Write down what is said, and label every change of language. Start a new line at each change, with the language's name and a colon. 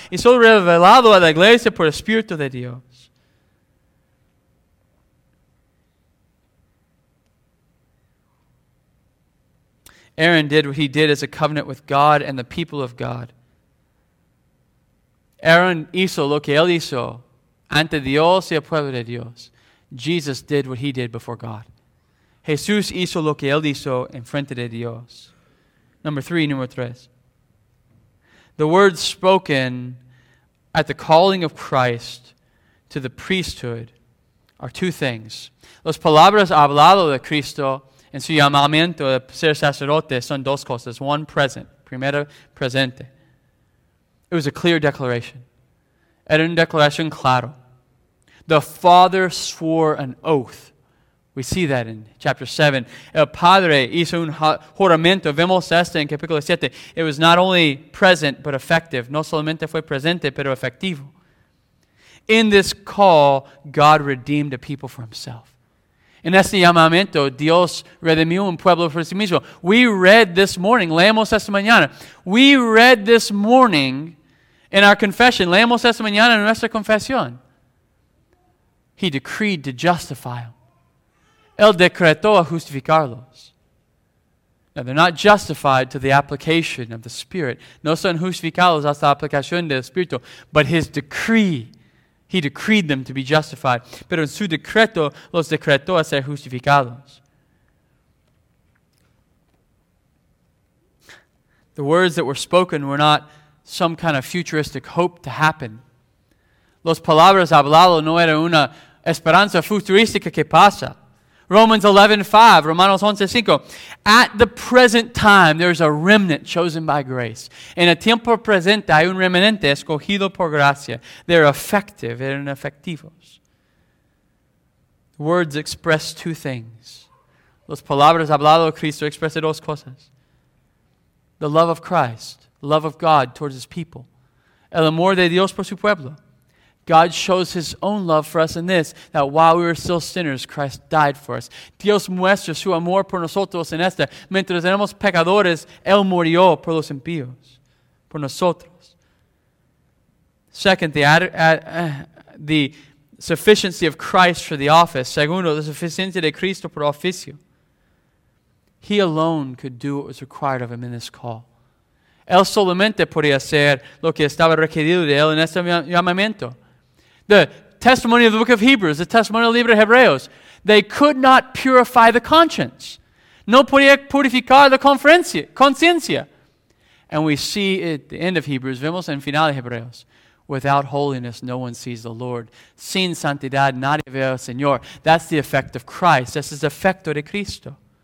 Spanish: Y solo revelado a la iglesia por el Espíritu de Dios.
English: Aaron did what he did as a covenant with God and the people of God.
Spanish: Aaron hizo lo que él hizo ante Dios y el pueblo de Dios.
English: Jesus did what he did before God.
Spanish: Jesús hizo lo que él hizo en frente de Dios. Número tres.
English: The words spoken at the calling of Christ to the priesthood are two things.
Spanish: Las palabras hablado de Cristo en su llamamiento de ser sacerdote son dos cosas.
English: One, present.
Spanish: Primero, presente.
English: It was a clear declaration.
Spanish: Era una declaración claro.
English: The Father swore an oath. We see that in chapter 7.
Spanish: El Padre hizo un juramento. Vemos esto en capítulo 7.
English: It was not only present, but effective.
Spanish: No solamente fue presente, pero efectivo.
English: In this call, God redeemed a people for himself.
Spanish: En este llamamiento, Dios redimió un pueblo por sí mismo.
English: We read this morning,
Spanish: leemos esta mañana.
English: We read this morning in our confession,
Spanish: leemos esta mañana en nuestra confesión.
English: He decreed to justify them.
Spanish: Él decretó a justificarlos.
English: Now, they're not justified to the application of the Spirit.
Spanish: No son justificados hasta la aplicación del Espíritu.
English: But his decree, he decreed them to be justified.
Spanish: Pero en su decreto, los decretó a ser justificados.
English: The words that were spoken were not some kind of futuristic hope to happen.
Spanish: Los palabras hablados no era una esperanza futurística que pasa. Romanos 11:5.
English: At the present time, there is a remnant chosen by grace.
Spanish: En el tiempo presente, hay un remanente escogido por gracia.
English: They're effective,
Spanish: eran efectivos.
English: Words express two things.
Spanish: Los palabras hablado de Cristo expresan dos cosas.
English: The love of Christ, love of God towards his people.
Spanish: El amor de Dios por su pueblo.
English: God shows his own love for us in this, that while we were still sinners, Christ died for us.
Spanish: Dios muestra su amor por nosotros en esta. Mientras éramos pecadores, él murió por los impíos, por nosotros.
English: Second, the sufficiency of Christ for the office.
Spanish: Segundo, la suficiencia de Cristo por oficio.
English: He alone could do what was required of him in this call.
Spanish: Él solamente podía hacer lo que estaba requerido de él en este llamamiento.
English: The testimony of the book of Hebrews, the testimony of the
Spanish: libro de Hebreos,
English: they could not purify the conscience.
Spanish: No podía purificar la conciencia.
English: And we see at the end of Hebrews,
Spanish: vemos en final de Hebreos,
English: without holiness, no one sees the Lord.
Spanish: Sin santidad, nadie ve al Señor.
English: That's the effect of Christ. That's the
Spanish: efecto de Cristo.